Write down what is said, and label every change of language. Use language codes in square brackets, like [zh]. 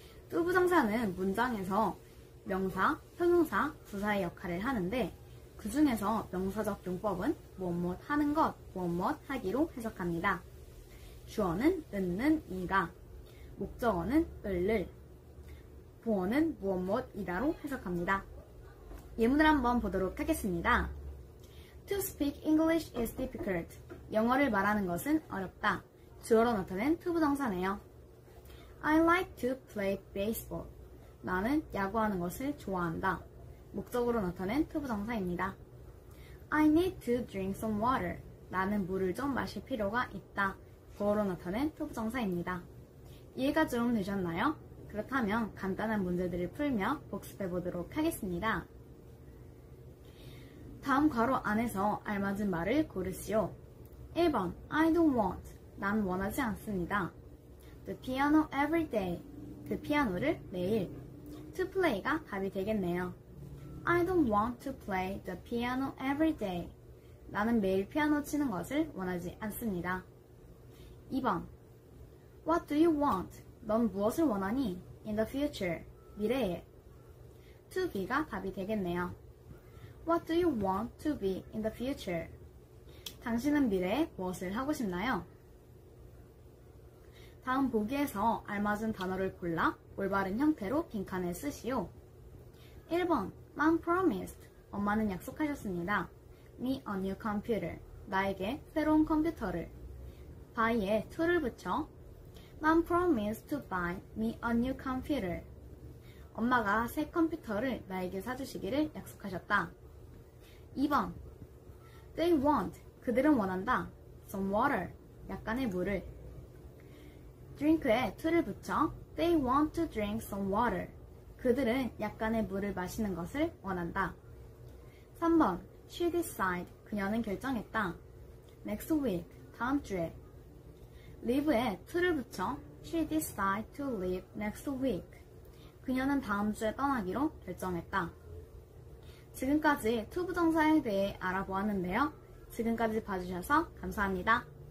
[ko] 투부정사는 문장에서 명사, 형용사, 부사의 역할을 하는데 그 중에서 명사적 용법은 무엇무엇 하는 것, 무엇무엇 하기로 해석합니다. 주어는 는는 이가, 목적어는 을을, 보어는 무엇무엇이다로 해석합니다. 예문을 한번 보도록 하겠습니다. [en] To speak English is difficult. [ko] 영어를 말하는 것은 어렵다. 주어로 나타낸 to 부정사네요. [en] I like to play baseball. [ko] 나는 야구하는 것을 좋아한다. 목적으로 나타낸 to 부정사입니다. [en] I need to drink some water. [ko] 나는 물을 좀 마실 필요가 있다. 보어로 나타낸 to 부정사입니다. 이해가 좀 되셨나요? 그렇다면 간단한 문제들을 풀며 복습해 보도록 하겠습니다. 다음 괄호 안에서 알맞은 말을 고르시오. [en] 1번 I don't want. [ko] 난 원하지 않습니다. [en] The piano every day. [ko] 그 피아노를 매일. To play가 답이 되겠네요. [en] I don't want to play the piano every day. [ko] 나는 매일 피아노 치는 것을 원하지 않습니다. [en] 2번 What do you want? [ko] 넌 무엇을 원하니? [en] In the future, [ko] 미래에. To be가 답이 되겠네요. [en] What do you want to be in the future? [ko] 당신은 미래에 무엇을 하고 싶나요? 다음 보기에서 알맞은 단어를 골라 올바른 형태로 빈칸에 쓰시오. [en] 1번 Mom promised. [ko] 엄마는 약속하셨습니다. [en] Me a new computer. [ko] 나에게 새로운 컴퓨터를. [en] buy에 to를 [ko] 붙여 [en] Mom promised to buy me a new computer. [ko] 엄마가 새 컴퓨터를 나에게 사주시기를 약속하셨다. [en] 2번 They want. [ko] 그들은 원한다. [en] Some water. [ko] 약간의 물을. [en] Drink에 to를 [ko] 붙여 [en] They want to drink some water. [ko] 그들은 약간의 물을 마시는 것을 원한다. [en] 3번 She decided. [ko] 그녀는 결정했다. [en] Next week. [ko] 다음 주에. [en] Leave에 to를 [ko] 붙여 [en] She decided to leave next week. [ko] 그녀는 다음 주에 떠나기로 결정했다. 지금까지 to 부정사에 대해 알아보았는데요. 지금까지 봐주셔서 감사합니다.